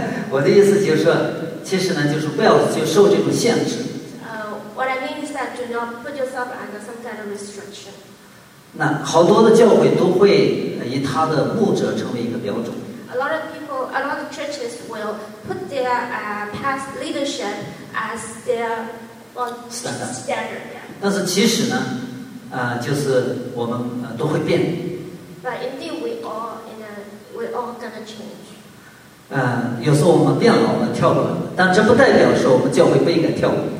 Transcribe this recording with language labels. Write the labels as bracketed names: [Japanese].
[Chinese] 我的意思就是说，其实呢，就是不要就受这种限制。 [English] What I mean is that do not put yourself under some kind of restriction. [Chinese] 那好多的教会都会以他的牧者成为一个标准。 [English] A lot of churches will put their past leadership as their standard. [Chinese] 但是其实呢，就是我们都会变。 [English] But indeed, we all gonna change. [Chinese] 有时候我们变老了，跳了，但这不代表说我们教会不应该跳舞。